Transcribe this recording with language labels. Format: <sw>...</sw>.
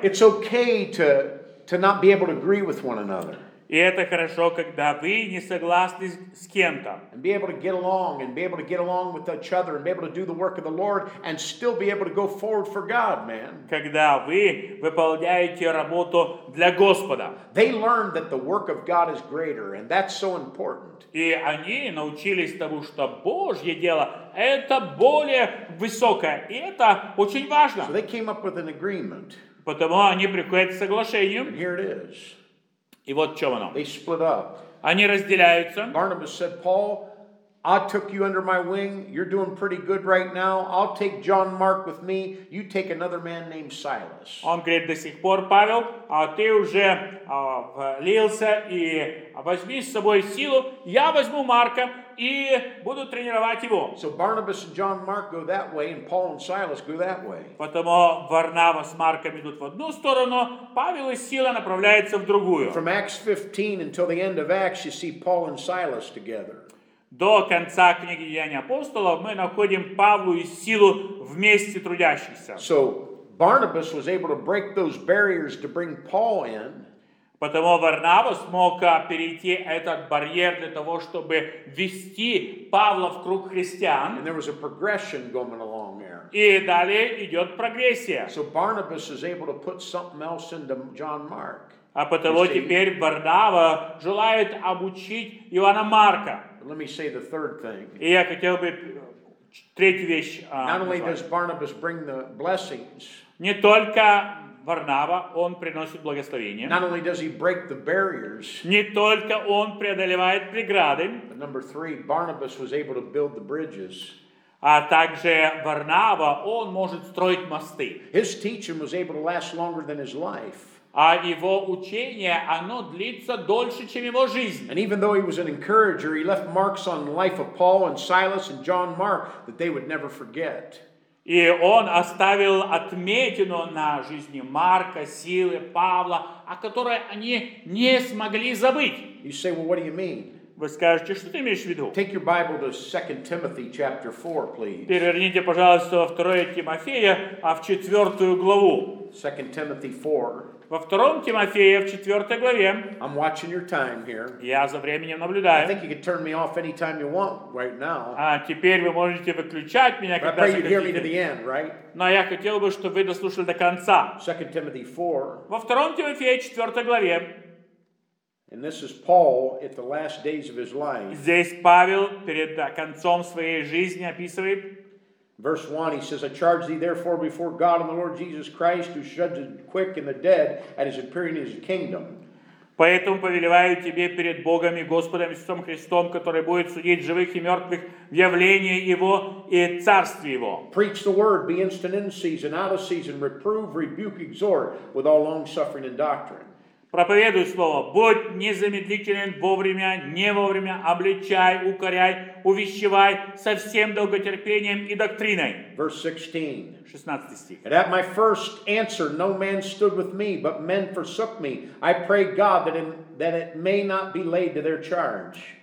<en>It's okay to not be able to agree with one another.</en> <ru>И это хорошо, когда вы не согласны с кем-то.</ru> <en>And be able to get along, and be able to get along with each other, and be able to do the work of the Lord, and still be able to go forward for God, man.</en> <ru>Когда вы выполняете работу для Господа.</ru> <en>They learned that the work of God is greater, and that's so important.</en> <ru>И они научились тому, что Божье дело это более высокое, и это очень важно.</ru> <en>So they came up with an agreement.</en> <ru>Потому они приходят к соглашению.</ru> <en>And here it is.</en> <ru>И вот в чем оно.</ru> <en>They split up.</en> <ru>Они разделяются.</ru> <en>Barnabas said, Paul, I took you under my wing. You're doing pretty good right now. I'll take John Mark with me. You take another man named Silas.</en> <ru>Он говорит, до сих пор, Павел, ты уже влился и возьми с собой силу. Я возьму Марка и буду тренировать его.</ru> <en>So Barnabas and John Mark go that way, and Paul and Silas go that way.</en> <ru>Потому Варнава с Марком идут в одну сторону, Павел и Сила направляются в другую.</ru> <en>From Acts 15 until the end of Acts, you see Paul and Silas together.</en> <ru>До конца книги Деяний апостолов мы находим Павла и Силу вместе трудящихся.</ru> <en>So Barnabas was able to break those barriers to bring Paul in.</en> <ru>Потому Варнава смог перейти этот барьер для того, чтобы ввести Павла в круг христиан.</ru> <en>And there was a progression going along there.</en> <ru>И далее идет прогрессия.</ru> <en>So Barnabas is able to put something else into John Mark.</en> <ru>А потому теперь Варнава желает обучить Иоанна Марка.</ru> <en>Let me say the third thing.</en> <ru>И я хотел бы третью вещь</ru> <en>Not only does Barnabas bring the blessings.</en> <ru>Не только Варнава, он приносит благословение.</ru> <en>Not only does he break the barriers.</en> <ru>Не только он преодолевает преграды.</ru> <en>But number three, Barnabas was able to build the bridges.</en> <ru>А также Варнава, он может строить мосты.</ru> <en>His teaching was able to last longer than his life.</en> <ru>А его учение, оно длится дольше, чем его жизнь.</ru> <en>And even though he was an encourager, he left marks on the life of Paul and Silas and John Mark that they would never forget.</en> <ru>И он оставил отметину на жизни Марка, Силы, Павла, о которой они не смогли забыть.</ru> <en>You say, well, what do you mean?</en> <ru>Вы скажете, что ты имеешь в виду?</ru> <en>Take your Bible to 2 Timothy chapter 4, please.</en> <ru>Переверните, пожалуйста, во 2 Тимофея, а в 4 главу.</ru> <en>2 Timothy 4.</en> <ru>Во втором Тимофея, в четвертой главе.</ru> <en>I'm watching your time here.</en> <ru>Я за временем наблюдаю.</ru> <en>I think you can turn me off anytime you want right now.</en> <ru>А теперь вы можете выключать меня, когда захотите.</ru> <en>But I pray you hear me to the end, right?</en> <ru>Но я хотел бы, чтобы вы дослушали до конца.</ru> <en>2 Timothy 4.</en> <ru>Во втором Тимофея, четвертой главе.</ru> <en>And this is Paul at the last days of his life.</en> <ru>Здесь Павел перед концом своей жизни описывает.</ru> <en>Verse 1, he says, I charge thee therefore before God and the Lord Jesus Christ, who judges the quick and the dead at his appearing in his kingdom.</en> <ru>Поэтому повелеваю тебе перед Богом и Господом Иисусом Христом, который будет судить живых и мертвых в явлении Его и Царстве Его.</ru> <en>Preach the word, be instant in season, out of season, reprove, rebuke, exhort with all longsuffering and doctrine.</en> <ru>Проповедуй слово, будь незамедлителен вовремя, не вовремя, обличай, укоряй, увещевай со всем долготерпением и доктриной.</ru> <en>Verse 16.</en> <ru>16 стих.</ru> <en>And at my first answer, no man stood with me, but men forsook me. I pray God that it may not be laid to their charge.</en>